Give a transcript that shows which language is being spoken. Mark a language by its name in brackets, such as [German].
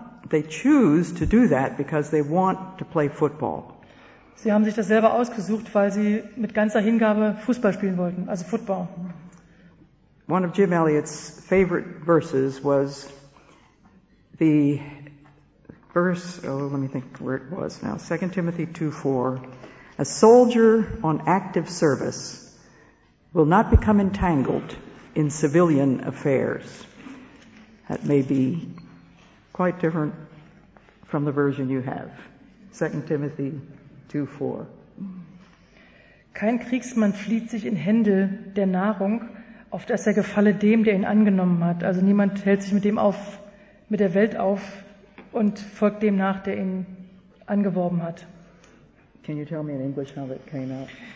[English] They choose to do that because they want to play football. [German] Sie haben sich das selber ausgesucht, weil sie mit ganzer Hingabe Fußball spielen wollten, also Football. [English] One of Jim Elliot's favorite verses was the verse, let me think where it was now, 2 Timothy 2:4. A soldier on active service will not become entangled in civilian affairs. That may be quite different from the version you have. 2 Timothy 2:4. [German] Kein Kriegsmann flieht sich in Händel der Nahrung, auf dass er gefalle dem, der ihn angenommen hat. Also niemand hält sich mit dem auf, mit der Welt auf und folgt dem nach, der ihn angeworben hat. [English] Can you tell me in English how that came out?